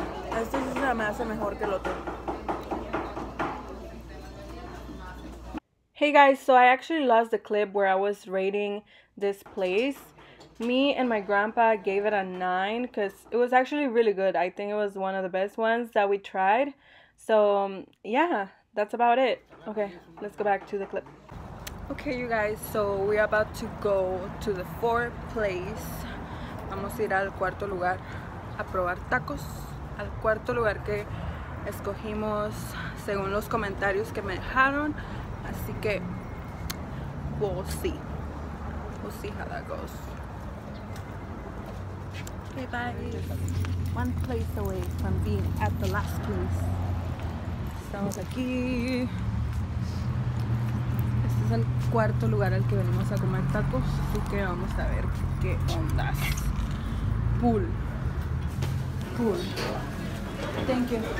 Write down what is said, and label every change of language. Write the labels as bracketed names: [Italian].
[Spanish] cosa me hace mejor que el otro. [English] Hey guys, so I actually lost the clip where I was rating this place. Me and my grandpa gave it a 9 because it was actually really good. I think it was one of the best ones that we tried. So yeah, that's about it. Okay, let's go back to the clip. Okay, you guys, so we're about to go to the 4th place. [Spanish] Vamos a ir al cuarto lugar a probar tacos. Al cuarto lugar que escogimos según los comentarios que me dejaron. Así que, [English] we'll see. We'll see how that goes. Okay, bye. One place away from being at the last place. [Spanish] Estamos aquí. Este es el cuarto lugar al que venimos a comer tacos. Así que vamos a ver qué ondas. [English] Pool. Pool. Thank you.